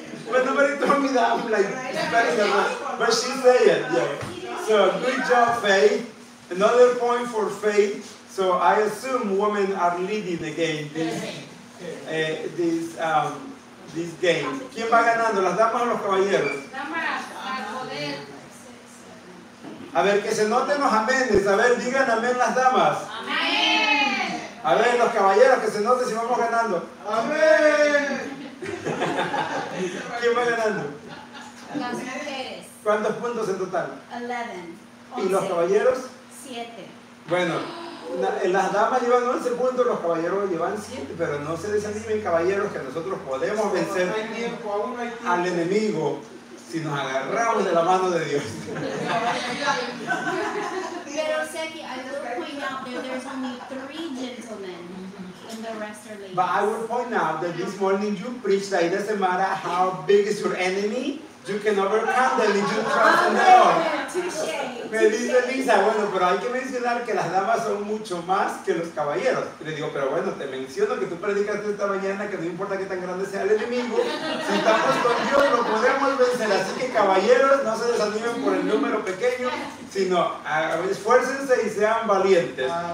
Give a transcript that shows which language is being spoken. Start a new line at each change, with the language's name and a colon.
English: But nobody told me that, I'm like, but she said it, yeah. So, good job, Faith. Another point for Faith. So, I assume women are leading again this game.
Spanish: ¿Quién va ganando, las damas o los caballeros? Damas, al poder. A ver, que se noten los améndes. A ver, digan amén las damas. Amén. A ver, los caballeros, que se note si vamos ganando. Amén. ¿Quién va ganando? Las mujeres. ¿Cuántos puntos en total? 11. ¿Y los caballeros? 7. Bueno, las damas llevan 11 puntos, los caballeros llevan 7, pero no se desanimen, caballeros, que nosotros podemos vencer al enemigo si nos agarramos de la mano de Dios. Pero sé que hay dos puntos aquí, pero hay solo 3 gentlemen.
English: But I will point out that this morning you preached that it doesn't matter how big is your enemy, you can overcome them if you trust in the Lord.
Spanish: Me dice Lisa, bueno, pero hay que mencionar que las damas son mucho más que los caballeros. Y le digo, pero bueno, te menciono que tú predicaste esta mañana que no importa qué tan grande sea el enemigo, si estamos con Dios lo podemos vencer. Así que caballeros, no se desanimen por el número pequeño, sino esfuércense y sean valientes.